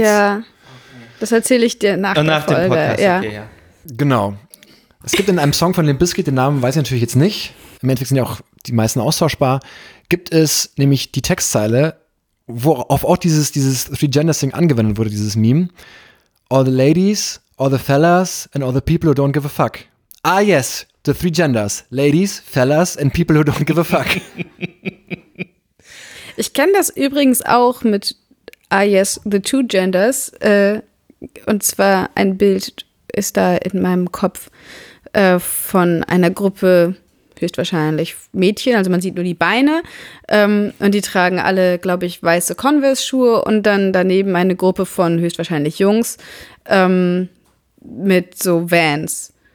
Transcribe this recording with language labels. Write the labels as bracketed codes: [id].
[de] Ja, das erzähle ich dir nach der Folge. Dem Podcast, ja. Genau. Es gibt in einem Song von Limp Bizkit, den Namen weiß ich natürlich jetzt nicht, im Endeffekt sind ja auch die meisten austauschbar, gibt es nämlich die Textzeile, worauf auch dieses Three Genders Thing angewendet wurde, dieses Meme. [en] All the ladies, all the fellas, and all the people who don't give a fuck. Ah, yes, the three genders. Ladies, fellas, and people who don't give a fuck. [de] Ich kenne das übrigens auch mit, [en] ah, yes, the two genders. [de] Und zwar ein Bild ist da in meinem Kopf von einer Gruppe, höchstwahrscheinlich Mädchen, also man sieht nur die Beine und die tragen alle, glaube ich, weiße Converse-Schuhe und dann daneben eine Gruppe von höchstwahrscheinlich Jungs mit so Vans.